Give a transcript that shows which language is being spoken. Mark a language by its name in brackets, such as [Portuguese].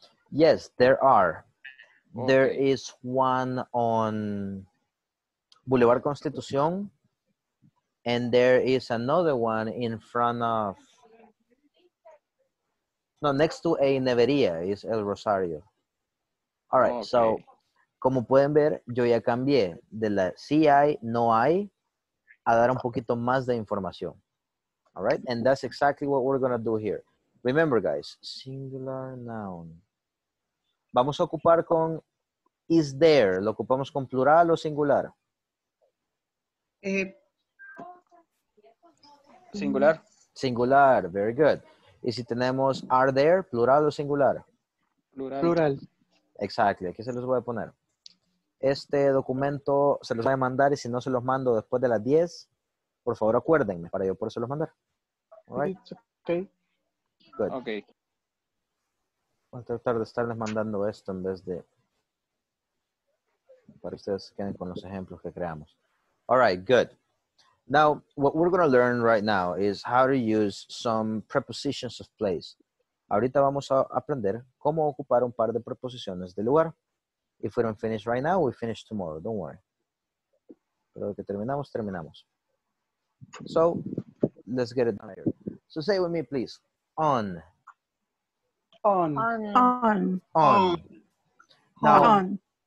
[English] Yes, there are. Okay. There is one on Boulevard Constitución, and there is another one in front of, no, next to a nevería, is El Rosario. [Spanish] All right, okay. So, como pueden ver, yo ya cambié de la sí hay, no hay, a dar un poquito más de información. [English] All right, and that's exactly what we're going to do here. Remember, guys, singular noun. [Spanish] Vamos a ocupar con [English] is there. [Spanish] ¿Lo ocupamos con plural o singular? Singular. Singular, [English] very good. [Spanish] Y si tenemos are there, plural o singular? Plural. Plural. Exactly, aquí se los voy a poner. Este documento se los voy a mandar y si no se los mando después de las 10, por favor acuérdenme para yo por eso los mandar. [English] All right. Okay. Good. Okay. [Spanish] Voy a tratar de estarles mandando esto en vez de... Para que ustedes queden con los ejemplos que creamos. [English] All right, good. Now, what we're going to learn right now is how to use some prepositions of place. [Spanish] Ahorita vamos a aprender cómo ocupar un par de preposiciones de lugar. [English] If we don't finish right now, we finish tomorrow. Don't worry. [Spanish] Pero lo que terminamos, terminamos. [English] So, let's get it done here. So say it with me, please. On. On. On. On. On. Now, on.